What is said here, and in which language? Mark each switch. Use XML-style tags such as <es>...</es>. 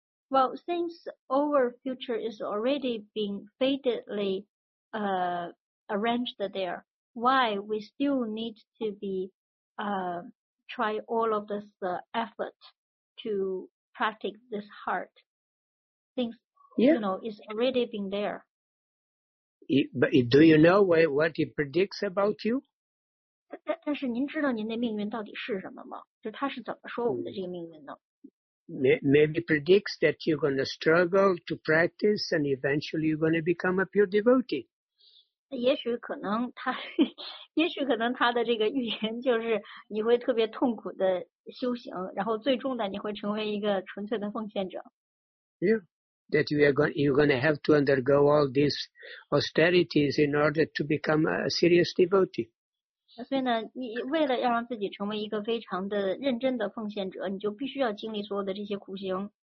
<en>Well, since our future is already being fatedly arranged there, why we still need to be try all of this effort to practice this heart? Things, yeah. You know, is already being there. But do you know what it predicts about you?</en> <zh>但是您知道您的命运到底是什么吗？就他是怎么说我们的这个命运呢？</zh> <en>Maybe predicts that you're going to struggle to practice and eventually you're going to become a pure devotee.</en> <zh>也许可能他的这个预言就是你会特别痛苦的修行，然后最终呢你会成为一个纯粹的奉献者。</zh> <en>Yeah, that you're going to have to undergo all these austerities in order to become a serious devotee.</en> <zh>所以呢，你为了要让自己成为一个非常的认真的奉献者，你就必须要经历所有的这些苦行。</zh>